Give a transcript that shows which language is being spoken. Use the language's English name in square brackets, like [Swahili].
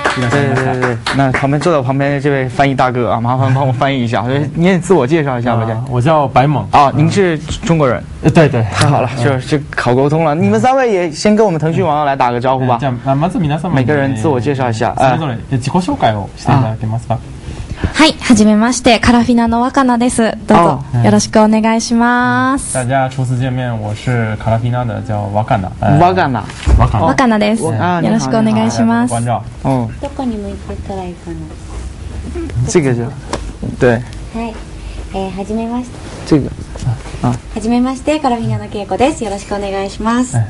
[Chinese] 对，那旁边坐在我旁边的这位翻译大哥啊，麻烦帮我翻译一下，你也自我介绍一下吧。我叫白猛啊。您是中国人？对，太好了，就好沟通了。你们三位也先跟我们腾讯网友来打个招呼吧。 [Japanese] まず皆さん、 [Chinese] 每个人自我介绍一下， [Japanese] それぞれ自己紹介をしていただけますか。はい、はじめまして、カラフィナの若菜です。どうぞよろしくお願いします。 [Chinese] 大家初次见面、我是カラフィナ的叫若菜。 [Japanese] 若菜。若菜です。よろしくお願いします。 [Chinese] 关照。 [Japanese] どこに向いてたらいいかな。 [Chinese] 这个就。对。 [Japanese] はい。はじめまして。 [Chinese] 这个。 [Japanese] はじめまして、カラフィナのケイコです。よろしくお願いします。